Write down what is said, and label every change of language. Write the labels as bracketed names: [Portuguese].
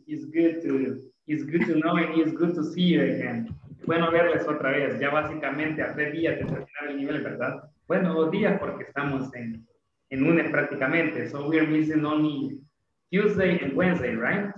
[English] It's good to know and it's good to see you again. [Spanish] Bueno, verles otra vez. Ya básicamente a 3 días de terminar el nivel, ¿verdad? Bueno, 2 días porque estamos en lunes prácticamente. [English] So we're missing only Tuesday and Wednesday, right?